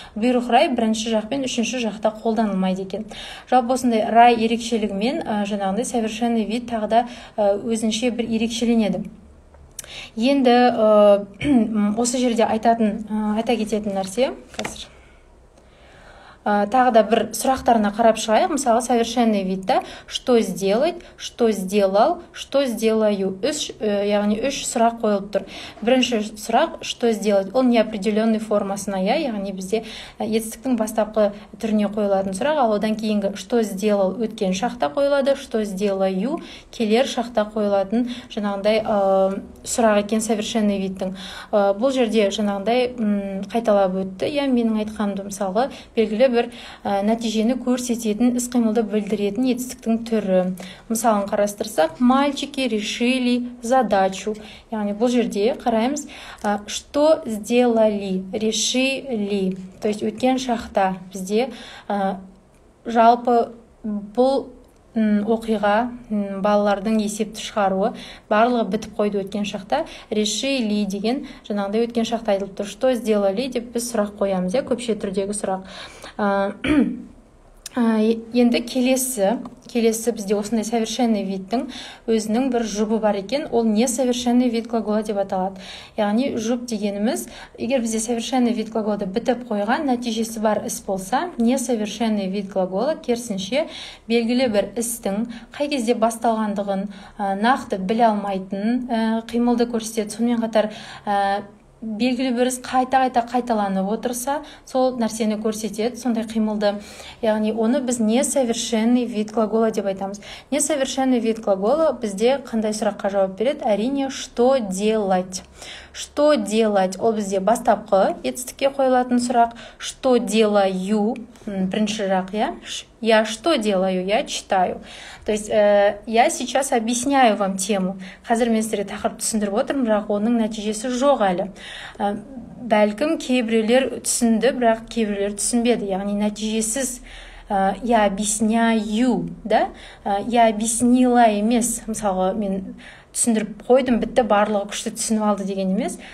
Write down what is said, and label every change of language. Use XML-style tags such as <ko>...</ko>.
<kk>Бұйрық рай бірінші жақ пен үшінші жақта қолданылмайды екен. Жалпы осындай рай ерекшелігімен жаңағындай совершенный вид тағы да өзінше бір ерекшеленеді. Енді осы жерде айта кететін нәрсе, қазір тағы да бір сұрақтарына қарап шығайық. Мысалы,</kk> <ru>совершенный видта что сделать, что сделал, что сделаю.</ru> <kk>Үш сұрақ қойылып тұр. Бірінші сұрақ что сделать. Ол неопределенный формасына, яғни бізде етістіктің бастапқы түріне қойылатын сұрақ. Ал одан кейінгі что сделал өткен шақта қойылады, что сделаю келер шақта қойылатын жаңағындай сұрақ екен совершенный видтің. Бұл жерде жаңағындай қайталап өтті. Иә, менің айтқанымды мысалы белгілі бір нәтижені көрсететін іс-қимылды білдіретін етістіктің түрі.</kk> <ru>Мысалын қарастырсақ, мальчики решили задачу.</ru> <kk>Яғни бұл жерде қараймыз, что сделали, решили. То есть өткен шақта бізде жалпы бұл оқиға, балалардың есепті шығаруы барлығы бітіп қойды өткен шақта. Решили деген жаңағыдай өткен шақта айтылып тұр. Что сделали деп біз сұрақ қоямыз, иә, көпше түрдегі сұрақ. Енді келесі бізде осындай совершенный видтің өзінің бір жұбы бар екен. Ол не совершенный вид глагола деп аталады. Яғни жұп дегеніміз, егер бізде совершенный вид глагола бітіп қойған нәтижесі бар іс болса, не совершенный вид глагола керісінше белгілі бір істің қай кезде басталғандығын нақты біле алмайтын қимылды көрсетеді. Сонымен қатар белгілі бір іс қайта-қайта қайталанып отырса, сол нәрсені көрсетеді, сондай қимылды. Яғни оны біз не совершенный вид глагола деп айтамыз. Не совершенный вид глагола бізде қандай сұраққа жауап береді? Әрине, что делать. Что делать ол бізде бастапқы етістікке қойылатын сұрақ.</kk> <ru>Что делаю бірінші жақ, я что делаю, я читаю. То есть я сейчас объясняю вам тему.</ru> <kk>Қазір мен сіздерге тақырып түсіндіріп отырмын, бірақ оның нәтижесі жоқ әлі. Бәлкім кейбіреулер түсінді, бірақ кейбіреулер түсінбеді.</kk> <ru>Яғни нәтижесіз я объясняю, да?</ru> <kk>Я объяснила емес. Мысалы, мен түсіндіріп қойдым, бітті, барлығы күшті түсініп алды деген емес.</kk>